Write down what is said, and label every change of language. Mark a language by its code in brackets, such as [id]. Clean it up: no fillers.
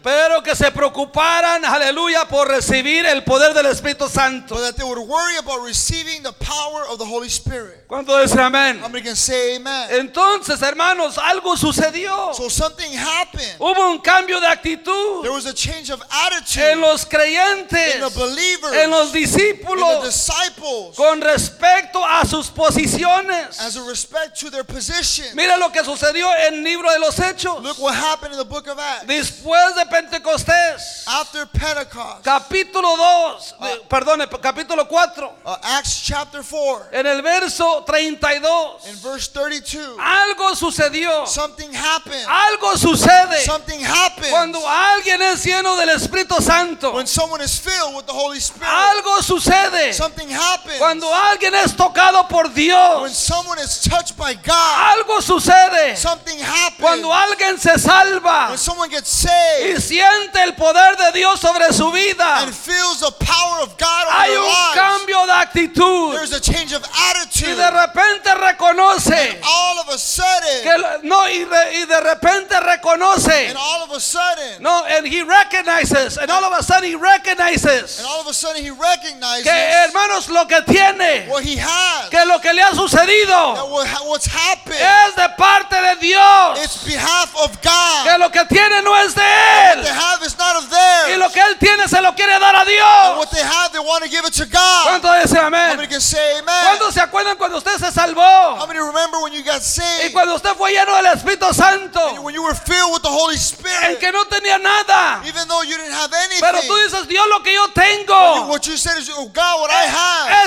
[es] Pero que se preocuparan, aleluya, por recibir el poder del Espíritu Santo. [en] But that they would worry about receiving the power of the Holy Spirit. [es] ¿Cuánto dice amén? [en] How many can say amen? [es] Entonces, hermanos, algo sucedió. [en] So something happened. [es] Hubo un cambio de actitud. [en] There was a change of attitude. [es] En los creyentes. [en] In the believers. [es] En los discípulos. [en] In the disciples. [es] Con respecto a sus posiciones. [en] As a respect to their position. [es] Mira lo que sucedió en el libro de los Hechos. [en] Look what happened in the book of Acts. [es] Después de Pentecostés, [en] after Pentecost, [es] capítulo 2, capítulo 4, [en] Acts chapter 4, [es] en el verso 32, [en] in verse 32, [es] algo sucedió, [en] something happened, [es] algo sucede, [en] something happens, [es] cuando alguien es lleno del Espíritu Santo, [en] when someone is filled with the Holy Spirit, [es] algo sucede, [en] something happens, [es] cuando alguien es tocado por Dios, [en] when someone is touched by God, [es] algo sucede, [en] something happens, [es] cuando alguien se salva, [en] when someone gets saved, [es] y siente el poder de Dios sobre su vida, [en] and feels the power of God on [es] hay [en] their [es] un [en] lives, [es] cambio de actitud, [en] there's a change of attitude, [es] y de repente reconoce, [en] and all of a sudden, [es] que, no, y de repente reconoce, [en] and all of a sudden, no, and he recognizes, and all of a sudden he recognizes, and all of a sudden he recognizes, [es] que hermanos lo que tiene, [en] what he has, [es] que lo que le ha sucedido, [en] that what's happened, [es] es de parte de Dios, [en] it's behalf of God. [es] Que lo que tiene no es de él. [en] What they have is not of theirs. [es] Y lo que él tiene se lo quiere dar a Dios. [en] And what they have, they want to give it to God. [es] ¿Cuánto dice amén? [en] How many can say amen? [es] ¿Cuántos se acuerdan cuando usted se salvó? [en] How many remember when you got saved? [es] Y cuando usted fue lleno del Espíritu Santo. [en] And when you were filled with the Holy Spirit. [es] En que no tenía nada. [en] Even though you didn't have anything. [es] Pero tú dices, Dios, lo que yo tengo. [en] What you said is, oh God, what I have.